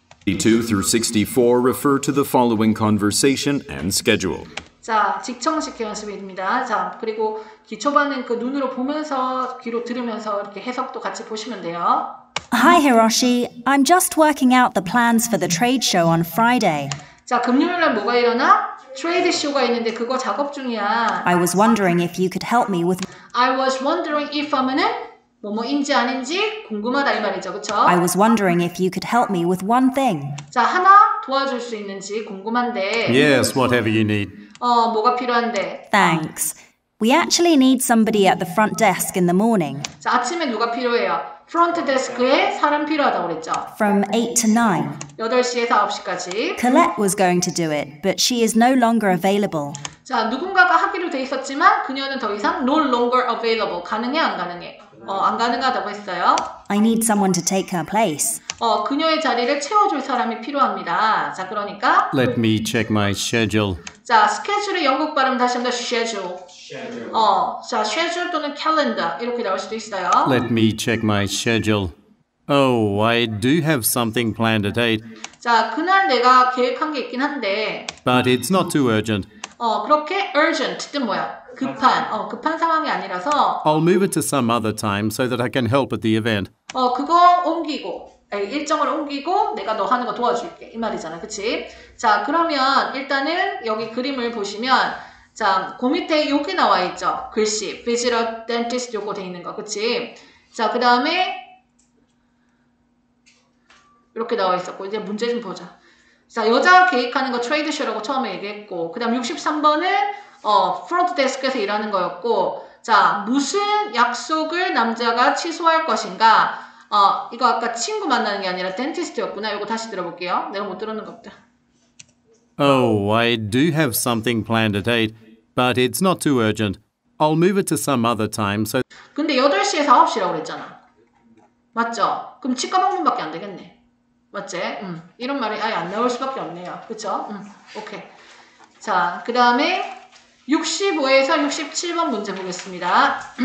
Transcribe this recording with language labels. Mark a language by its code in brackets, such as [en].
[en] 52 through 64 refer to the following conversation and schedule. [ko] 자, 직청식 연습입니다. 자, 그리고 기초반은 그 눈으로 보면서 귀로 들으면서 이렇게 해석도 같이 보시면 돼요. [en] Hi Hiroshi, I'm just working out the plans for the trade show on Friday. [ko] 자, 금요일날 뭐가 일어나? 트레이드 쇼가 있는데 그거 작업 중이야. [en] I was wondering if you could help me with [ko] I was wondering if 하면은 뭐뭐인지 아닌지 궁금하다 이 말이죠. 그쵸? [en] I was wondering if you could help me with one thing. [ko] 자, 하나 도와줄 수 있는지 궁금한데. [en] Yes, whatever you need. [ko] 뭐가 필요한데? [en] Thanks. We actually need somebody at the front desk in the morning. [ko] 자, 아침에 누가 필요해요? Front desk에 사람 필요하다고 그랬죠? [en] From 8 to 9. [ko] 8시에서 9시까지. [en] Colette was going to do it, but she is no longer available. [ko] 자, 누군가가 하기로 돼 있었지만 그녀는 더 이상 [en] no longer available. [ko] 가능해, 안 가능해? 안 가능하다고 했어요. [en] I need someone to take her place. [ko] 그녀의 자리를 채워줄 사람이 필요합니다. 자, 그러니까 [en] Let me check my schedule. [ko] 자, 스케줄의 영국 발음 다시 한번 schedule. [en] Schedule. [ko] 자, schedule 또는 calendar 이렇게 나올 수도 있어요. [en] Let me check my schedule. Oh, I do have something planned at 8. [ko] 자, 그날 내가 계획한 게 있긴 한데 [en] But it's not too urgent. [ko] 그렇게 urgent 뜻 뭐야? 급한, 급한 상황이 아니라서 [en] I'll move it to some other time so that I can help at the event. [ko] 그거 옮기고 일정을 옮기고 내가 너 하는 거 도와줄게 이 말이잖아, 그치? 자, 그러면 일단은 여기 그림을 보시면 자, 그 밑에 여기 나와 있죠, 글씨 Visitor Dentist 요거 돼 있는 거, 그치? 자, 그 다음에 이렇게 나와 있었고 이제 문제 좀 보자. 자, 여자 계획하는 거 트레이드쇼라고 처음에 얘기했고 그 다음 63번은 프론트 데스크에서 일하는 거였고 자, 무슨 약속을 남자가 취소할 것인가? 이거 아까 친구 만나는 게 아니라 덴티스트였구나. 이거 다시 들어볼게요. 내가 못 들었는 것 같다. [en] Oh, I do have something planned at 8, but it's not too urgent. I'll move it to some other time, so... [ko] 근데 8시에서 9시라고 그랬잖아. 맞죠? 그럼 치과 방문밖에 안 되겠네. 맞지? 이런 말이 아예 안 나올 수밖에 없네요. 그쵸? 오케이. 자, 그 다음에 65에서 67번 문제 보겠습니다.